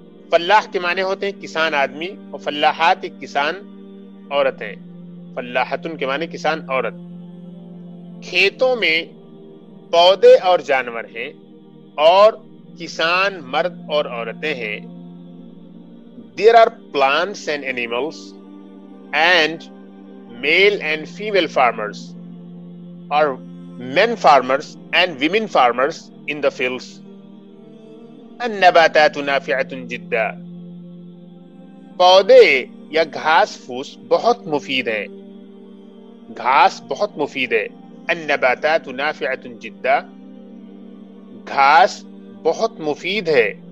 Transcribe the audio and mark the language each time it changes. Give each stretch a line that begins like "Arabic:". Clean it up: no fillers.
Urdu: فلاح کے معنی ہوتے ہیں کسان آدمی, اور فلاحات ایک کسان عورت ہے. فلاحتن کے معنی کسان عورت. کھیتوں میں پودے اور جانور ہیں, اور کسان مرد اور عورتیں ہیں.
English: There are plants and animals and male and female farmers or men farmers and women farmers in the fields.
Arabic: النباتات نافعة جدا,
Urdu: پودے یا گھاس پھوس بہت مفید ہیں. گھاس بہت مفید ہے.
Arabic: النباتات نافعة جدا,
Urdu: گھاس بہت مفید ہے.